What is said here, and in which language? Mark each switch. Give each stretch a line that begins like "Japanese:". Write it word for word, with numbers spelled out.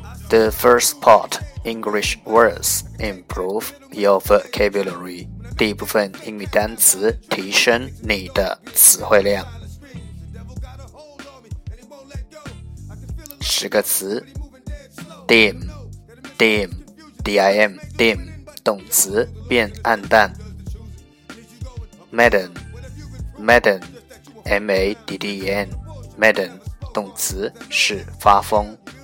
English: The first part, English words, improve your vocabulary.
Chinese: 第一部分英语单词，提升你的词汇量。十个词 dim, dim, D I M, dim, 动词，变暗淡。 Madden,Madden, M A D D E N, Madden, 动词，是发疯。